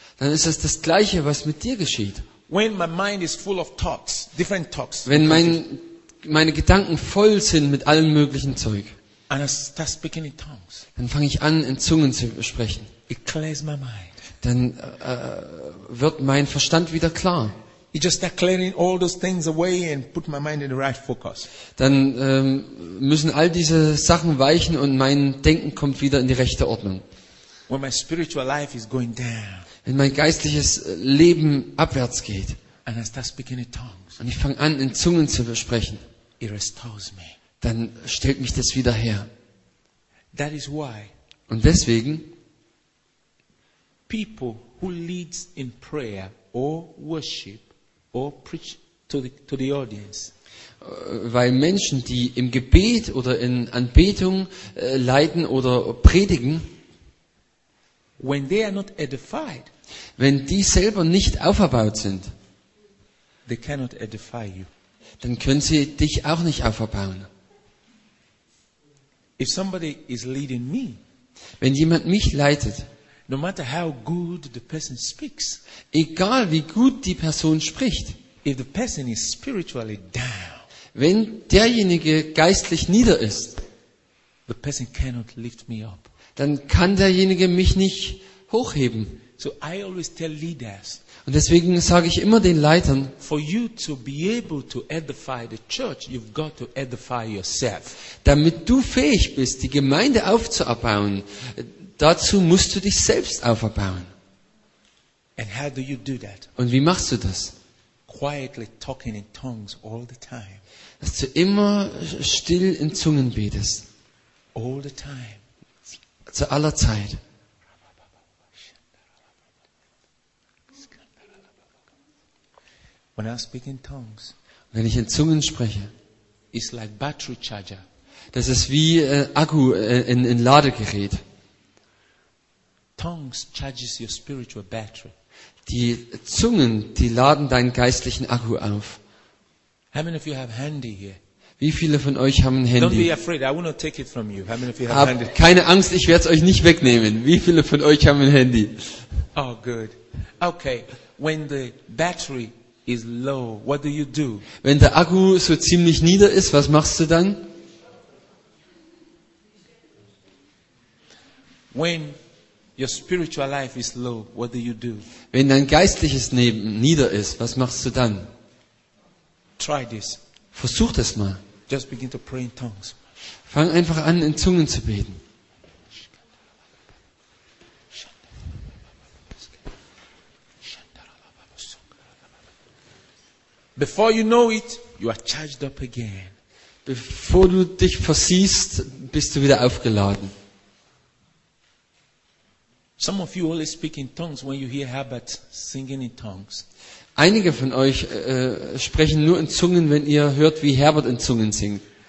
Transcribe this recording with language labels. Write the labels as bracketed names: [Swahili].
[German] Dann ist es das Gleiche, was mit dir geschieht. [English] When my mind is full of talks, different talks. [German] Wenn meine Gedanken voll sind mit allem möglichen Zeug. [English] And I start speaking in tongues. [German] Dann fange ich an, in Zungen zu sprechen. [English] It clears my mind. [German] Dann wird mein Verstand wieder klar. Dann müssen all diese Sachen weichen und mein Denken kommt wieder in die rechte Ordnung. [English] when my spiritual life is going down, [German] wenn mein geistliches Leben abwärts geht, [English] and I start speaking in tongues, [German] und ich fange an, in Zungen zu sprechen, [English] it restores me. [German] Dann stellt mich das wieder her. [English] That is why, [German] und deswegen, [English] people who leads in prayer or worship or preach to the audience, [German] weil Menschen, die im Gebet oder in Anbetung leiten oder predigen, [English] when they are not edified, [German] wenn die selber nicht aufgebaut sind, [English] they cannot edify you. [German] Dann können sie dich auch nicht aufbauen. [English] If somebody is leading me, [German] wenn jemand mich leitet, [English] no matter how good the person speaks, [German] egal wie gut die Person spricht, [English] if the person is spiritually down, [German] wenn derjenige geistlich nieder ist, [English] the person cannot lift me up, [German] dann kann derjenige mich nicht hochheben. [English] So I always tell leaders, [German] und deswegen sage ich immer den Leitern, [English] for you to be able to edify the church, you've got to edify yourself. [German] Damit du fähig bist, die Gemeinde aufzubauen, dazu musst du dich selbst aufbauen. [English] And how do you do that? [German] Und wie machst du das? [English] Quietly talking in tongues all the time. [German] Dass du immer still in Zungen betest. [English] All the time. [German] Zu aller Zeit. [English] When I speak in tongues, [German] wenn ich in Zungen spreche, [English] it's like battery charger. [German] Das ist wie Akku in Ladegerät. [English] Tongues charges your spiritual battery. [German] Die Zungen, die laden deinen geistlichen Akku auf. [English] How many of you have handy here? [German] Wie viele von euch haben ein Handy? [English] Don't be afraid, I will not take it from you. How many of you have handy? [German] Keine Angst, ich werde es euch nicht wegnehmen. Wie viele von euch haben ein Handy? [English] Oh, good. Okay, when the battery is low, what do you do? [German] Wenn der Akku so ziemlich nieder ist, was machst du dann? [English] When your spiritual life is low, what do you do? [German] Wenn dein geistliches Leben nieder ist, was machst du dann? [English] Try this. [German] Versuch das mal. [English] Just begin to pray in tongues. [German] Fang einfach an, in Zungen zu beten. [English] Before you know it, you are charged up again. [German] Bevor du dich versiehst, bist du wieder aufgeladen. [English] Some of you always speak in tongues when you hear Herbert singing in tongues. [German] Einige von euch sprechen nur in Zungen, wenn ihr hört, wie Herbert in Zungen singt.